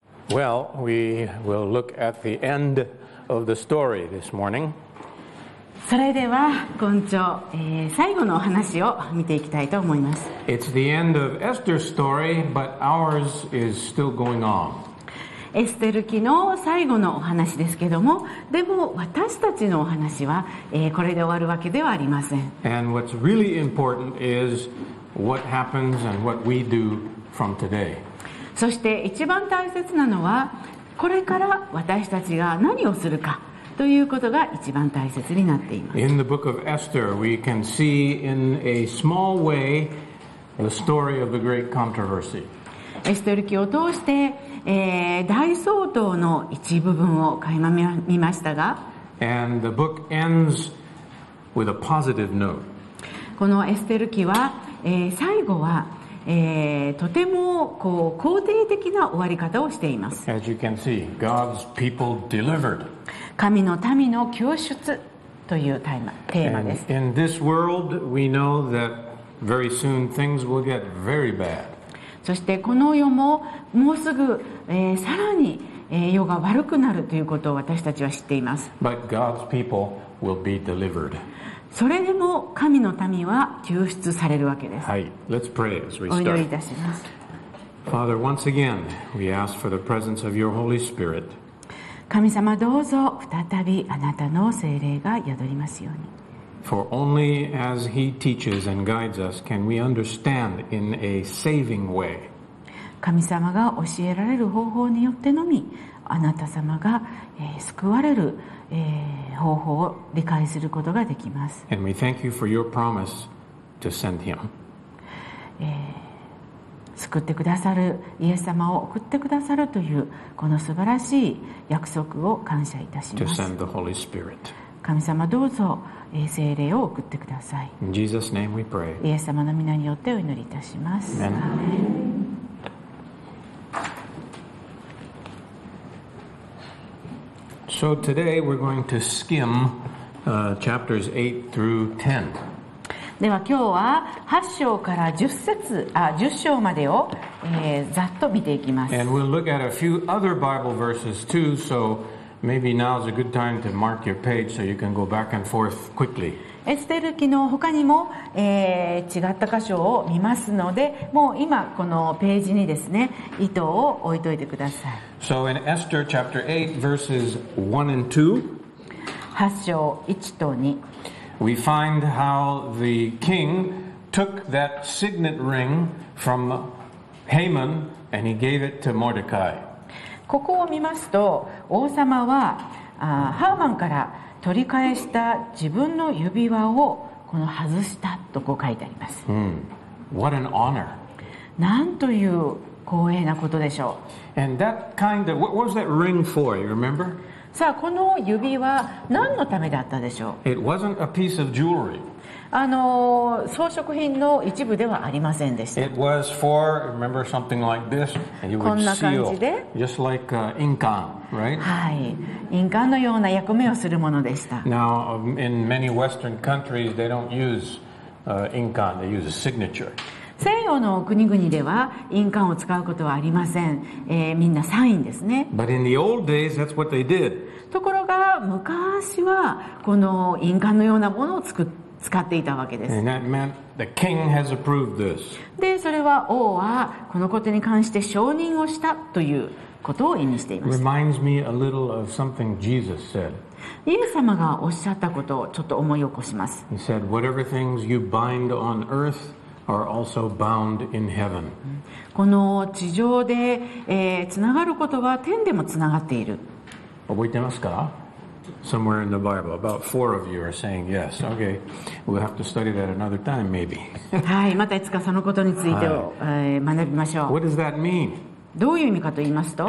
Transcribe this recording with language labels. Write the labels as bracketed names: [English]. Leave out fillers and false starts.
[English] Well, we will look at the end of the story this morning. [Japanese] それでは今朝、最後のお話を見ていきたいと思います。 [English] It's the end of Esther's story, but ours is still going on. [Japanese] エステル記の最後のお話ですけども、でも私たちのお話は、これで終わるわけではありません。 [English] And what's really important is what happens and what we do from today. [Japanese] そして一番大切なのはこれから私たちが何をするかということが一番大切になっています。 [English] In the book of Esther, we can see in a small way the story of the great controversy. [Japanese] エステル記を通して、大騒動の一部分を垣間見ましたが、 [English] And the book ends with a positive note. [Japanese] このエステル記は、最後はとてもこう肯定的な終わり方をしています。 [English] As you can see, God's people delivered. [Japanese] 神の民の救出というテーマです。 [English] In this world, we know that very soon things will get very bad. [Japanese] そしてこの世ももうすぐ、さらに、世が悪くなるということを私たちは知っています。 [English] But God's people will be delivered. [Japanese] それでも神の民は救出されるわけです。はい、 [English] Let's pray as we start. [Japanese] お祈りいたします。 [English] Father, once again, we ask for the presence of your Holy Spirit. [Japanese] 神様どうぞ再びあなたの聖霊が宿りますように。 [English] For only as he teaches and guides us can we understand in a saving way. [Japanese] 神様が教えられる方法によってのみあなた様が、救われる、方法を理解することができます。 [English] And we thank you for your promise to send him. [Japanese] 救ってくださるイエス様を送ってくださるというこの素晴らしい約束を感謝いたします。 [English] To send the Holy Spirit. [Japanese] 神様どうぞ聖霊を送ってください。 [English] In Jesus' name we pray. [Japanese] イエス様の御名によってお祈りいたします。 [English] Amen. So today we're going to skim chapters 8 through 10. [Japanese] では今日は8章から10章までを、ざっと見ていきます。 [English] And we'll look at a few other Bible verses too, so maybe now is a good time to mark your page so you can go back and forth quickly. [Japanese] エステル記の他にも、違った箇所を見ますのでもう今このページにですね糸を置いといてください。 [English] So in Esther chapter 8 verses 1 and 2 [Japanese] 8章1と2 [English] We find how the king took that signet ring from Haman and he gave it to Mordecai. [Japanese] ここを見ますと王様はハーマンから取り返した自分の指輪をこの外したとこう書いてあります。 [English] What an honor. [Japanese] なんという光栄なことでしょう。 [English] And that kind of, what was that ring for, you remember? [Japanese] さあ、この指輪、何のためだったでしょう? [English] It wasn't a piece of jewelry. [Japanese] 装飾品の一部ではありませんでした。 [English] It was for, remember something like this, and you would seal, just like inkan. Right? [Japanese] はい、印鑑のような役目をするものでした。 [English] Now, in many Western countries, they don't use, ink on, they use a signature. [Japanese] 西洋の国々では印鑑を使うことはありません。みんなサインですね。 [English] But in the old days, that's what they did. [Japanese] ところが昔はこの印鑑のようなものを使っていたわけです。 [English] And that meant the king has approved this. [Japanese] で、それは王はこのことに関して承認をしたという。ことを意味しています。 [English] Reminds me a little of something Jesus said. [Japanese] イエス様がおっしゃったことをちょっと思い起こします。 [English] He said, "Whatever things you bind on earth are also bound in heaven." [Japanese] この地上で、つながることは天でもつながっている。覚えてますか? [English] Somewhere in the Bible, about four of you are saying yes. Okay, we'll have to study that another time, maybe. [Japanese] はい、またいつかそのことについて、学びましょう。 [English] What does that mean? [Japanese] どういう意味かと言いますと、